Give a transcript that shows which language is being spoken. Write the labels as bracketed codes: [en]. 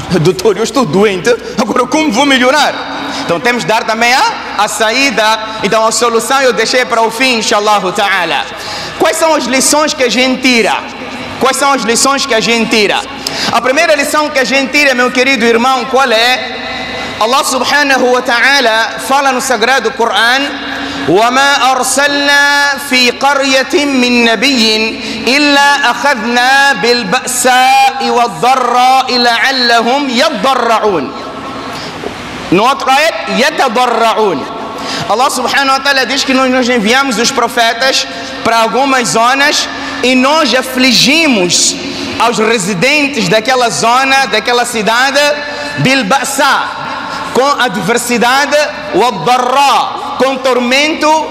[pt] Doutor, eu estou doente, agora como vou melhorar? Então temos de dar também a saída. Então a solução eu deixei para o fim, inshallah ta'ala. Quais são as lições que a gente tira? Quais são as lições que a gente tira? A primeira lição que a gente tira, meu querido irmão, qual é? Allah subhanahu wa ta'ala fala no sagrado Quran: [ar] وَمَا أَرْسَلْنَا فِي قَرْيَةٍ مِّن نَبِيٍ إِلَّا أَخَذْنَا بِالْبَأْسَاءِ وَالضَّرَّاءِ لَعَلَّهُمْ يَتَضَرَّعُونَ. [pt] No outro ayat, يَتَضَرَّعُونَ. Allah subhanahu wa ta'ala diz que nós enviamos os profetas para algumas zonas e nós afligimos aos residentes daquela zona, daquela cidade, bilba'sa, com adversidade, wadharra, com tormento.